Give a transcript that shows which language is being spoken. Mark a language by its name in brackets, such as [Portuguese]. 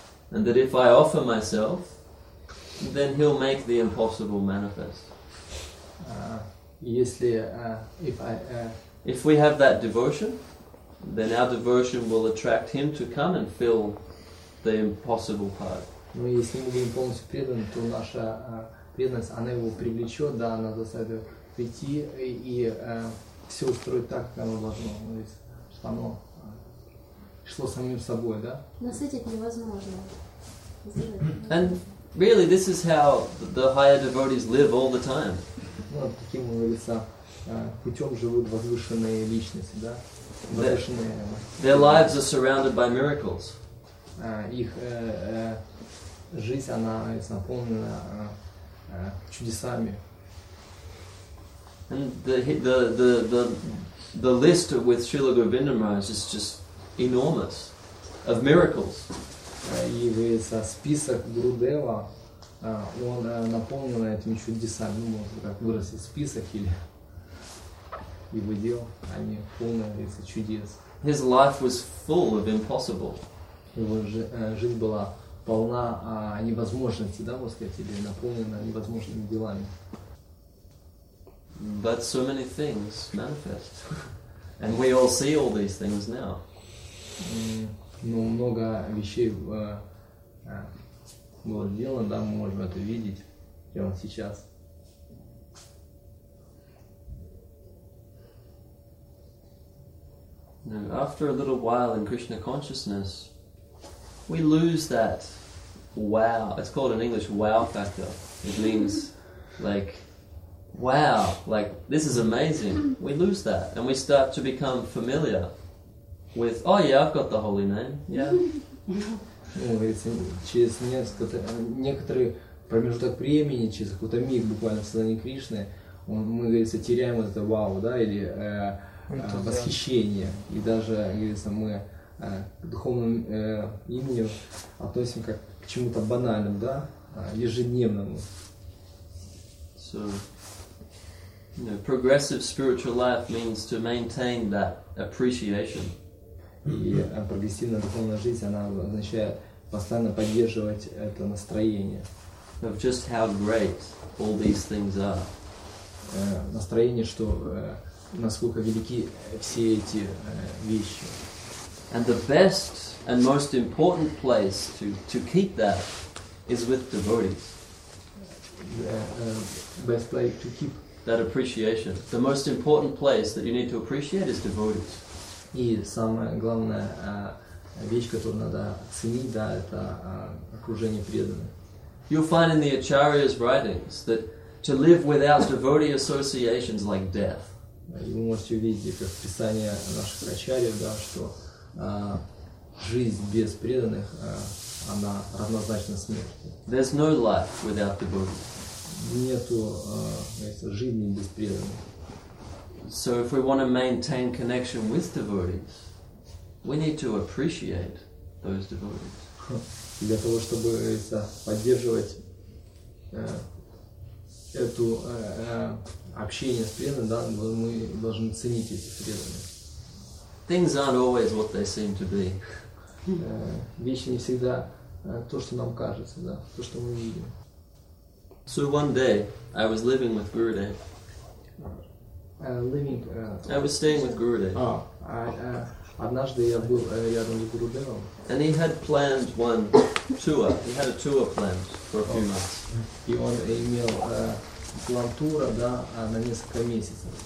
[English] And that if I offer myself, then he'll make the impossible manifest. If we have that devotion, then our devotion will attract him to come and fill the impossible part. [Russian] Ну, если мы будем полностью преданы, то наша преданность, она его привлечет, да, она заставит прийти и все устроить так, как оно должно, то есть, чтобы оно шло самим собой, да? Насытить невозможно. [English] And really, this is how the higher devotees live all the time. [Russian] Ну, таким образом. Путем живут возвышенные личности, да? Возвышенные. [English] Their lives are surrounded by miracles. [Russian] Их жизнь, она наполнена чудесами. [English] And the list with Srila Govinda Maharaj is just enormous of miracles. [Russian] И говорится, список Гурудева, он наполнен этими чудесами. Ну, можно так выразить, список или... Его дел, они полны чудес. [English] His life was full of impossible. [Russian] Его жизнь была полна невозможностей, да, можно сказать, или наполнена невозможными делами. [English] But so many things manifest. And we all see all these things now. [Russian] Ну, много вещей было сделано, да, мы можем это видеть прямо сейчас. [English] And after a little while in Krishna consciousness, we lose that wow. It's called in English wow factor. It means like, wow, like this is amazing. We lose that and we start to become familiar with, oh yeah, I've got the holy name. Yeah. [Russian] Через некоторый промежуток времени, через какой-то миг буквально в сознании Кришны, мы, говорится, теряем вот это вау, да, или... восхищение, и даже, говорится, мы к духовному имени относим как к чему-то банальному, да? ежедневному. [English] So, you know, progressive spiritual life means to maintain that appreciation. [Russian] И прогрессивная духовная жизнь, она означает постоянно поддерживать это настроение. [English] Of just how great all these things are. [Russian] Настроение, что насколько велики все эти вещи. [English] And the best and most important place to keep that is with devotees. Best place to keep that appreciation. The most important place that you need to appreciate is devotees. [Russian] И самая главная вещь, которую надо ценить, да, это окружение преданных. [English] You'll find in the Acharya's writings that to live without devotee associations like death. [Russian] Вы можете увидеть, как в писании наших Ачарьев, да, что жизнь без преданных, она равнозначна смерти. [English] There's no life without devotees. [Russian] Нету жизни без преданных. [English] So if we want to maintain connection with devotees, we need to appreciate those devotees. [Russian] Для того, чтобы поддерживать эту общение с преданными, да, мы должны ценить эти преданные. [English] Things aren't always what they seem to be. [Russian] Вещи не всегда то, что нам кажется, да, то, что мы видим. [English] So one day I was living with Gurudev. I was staying with Gurudev. [Russian] Однажды я был рядом с Гурудевом. [English] And he had planned one tour. He had a tour planned for a few months. [Russian] И он имел план тура, да, на несколько месяцев.